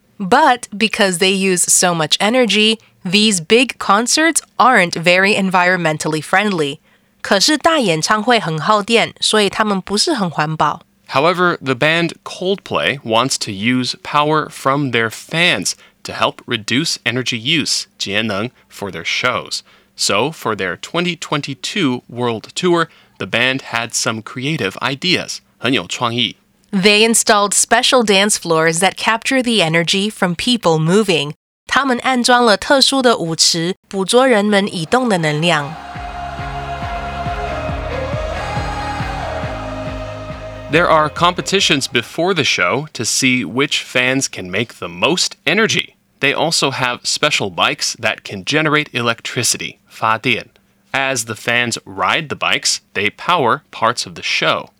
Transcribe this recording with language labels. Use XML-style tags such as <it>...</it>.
<en>But because they use so much energy, these big concerts aren't very environmentally friendly.</en> <zh>可是大演唱会很耗电，所以他们不是很环保。</zh> <en>However, the band Coldplay wants to use power from their fans to help reduce energy use, 节能, for their shows. So, for their 2022 world tour, the band had some creative ideas,</en> <zh>很有创意.</zh> <en>They installed special dance floors that capture the energy from people moving.</en> <zh>他们安装了特殊的舞池，捕捉人们移动的能量。</zh> <en>There are competitions before the show to see which fans can make the most energy. They also have special bikes that can generate electricity, 发电. As the fans ride the bikes, they power parts of the show.</en>